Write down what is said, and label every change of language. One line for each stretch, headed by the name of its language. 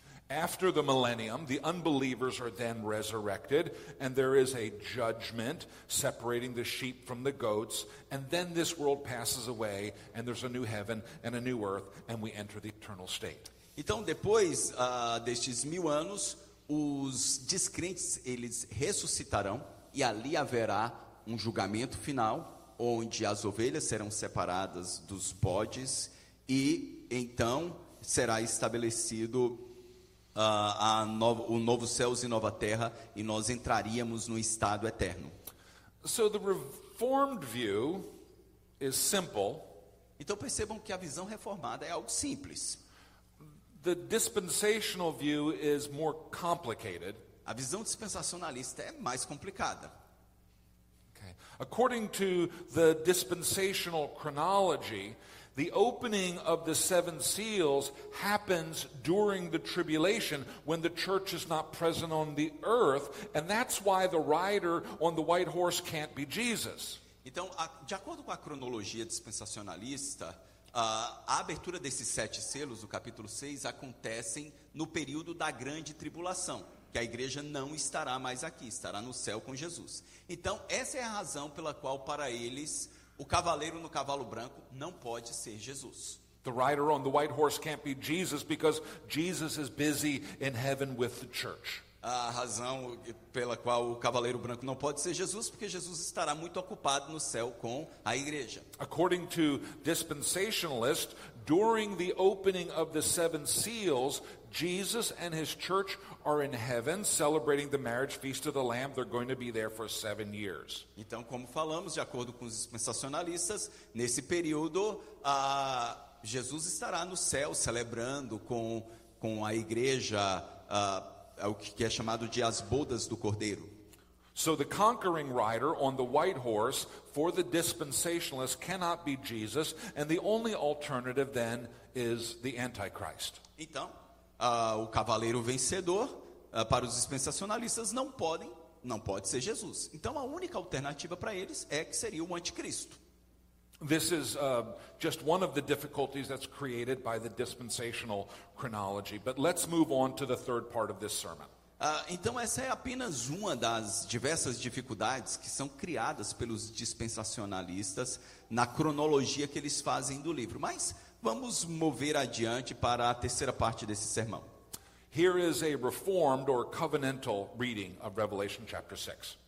English: After the millennium, the unbelievers are then resurrected, and there is a judgment separating the sheep from the goats, and then this world passes away, and there's a new heaven and a new earth, and we enter the eternal state.
Portuguese: Então, depois destes 1,000 anos, os descrentes, eles ressuscitarão e ali haverá um julgamento final, onde as ovelhas serão separadas dos bodes e então será estabelecido o novo céus e nova terra e nós entraríamos no estado eterno.
English: So the reformed view is simple.
Portuguese: Então percebam que a visão reformada é algo simples.
English: The dispensational view is more complicated.
Portuguese: A visão dispensacionalista é mais complicada.
English: Okay. According to the dispensational chronology, the opening of the seven seals happens during the tribulation when the church is not present on the earth, and that's why the rider on the white horse can't be Jesus.
Portuguese: Então, de acordo com a cronologia dispensacionalista, a abertura desses sete selos, o capítulo 6, acontecem no período da grande tribulação, que a igreja não estará mais aqui, estará no céu com Jesus. Então, essa é a razão pela qual, para eles, o cavaleiro no cavalo branco não pode ser Jesus.
English: The rider on the white horse can't be Jesus because Jesus is busy in heaven with the church.
Portuguese: A razão pela qual o cavaleiro branco não pode ser Jesus, porque Jesus estará muito ocupado no céu com a igreja.
English: According to dispensationalists, during the opening of the seven seals, Jesus and his church are in heaven celebrating the marriage feast of the Lamb. They're going to be there for 7 years.
Portuguese: Então, como falamos, de acordo com os dispensacionalistas, nesse período, Jesus estará no céu celebrando com a igreja o que é chamado de as bodas do Cordeiro.
English: So the conquering rider on the white horse for the dispensationalist cannot be Jesus, and the only alternative then is the Antichrist.
Portuguese: Então, o cavaleiro vencedor para os dispensacionalistas não pode ser Jesus. Então a única alternativa para eles é que seria o anticristo.
English: This is just one of the difficulties that's created by the dispensational chronology, but let's move on to the third part of this sermon.
Portuguese: Então essa é apenas uma das diversas dificuldades que são criadas pelos dispensacionalistas na cronologia que eles fazem do livro. Mas vamos mover adiante para a terceira parte desse sermão.
English: Here is a reformed or covenantal reading of Revelation chapter 6.